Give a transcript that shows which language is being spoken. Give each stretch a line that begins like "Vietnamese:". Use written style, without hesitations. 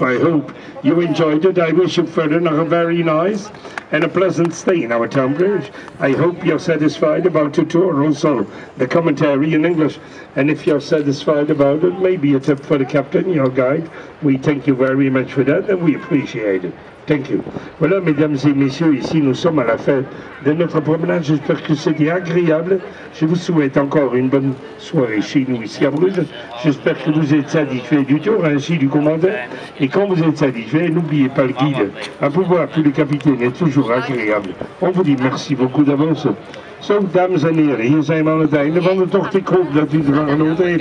English: I hope you enjoyed it. I wish you further a very nice and a pleasant stay in our town, Bruges. I hope you're satisfied about the tour, also the commentary in English. And if you're satisfied about it, maybe a tip for the captain, your guide. We thank you very much for that, and we appreciate it. Thank you.
French: Voilà, mesdames et messieurs, ici nous sommes à la fin de notre promenade. J'espère que c'était agréable. Je vous souhaite encore une bonne soirée chez nous ici à Bruges. J'espère que vous êtes satisfaits du tour ainsi du commandant. Et quand vous êtes satisfaits, n'oubliez pas le guide. Un pouvoir pour le capitaine est toujours agréable. On vous dit merci beaucoup d'avance.
Dutch: So, dames en heren, hier zijn we aan het einde van de tocht. Ik hoop dat u ervan genoten heeft.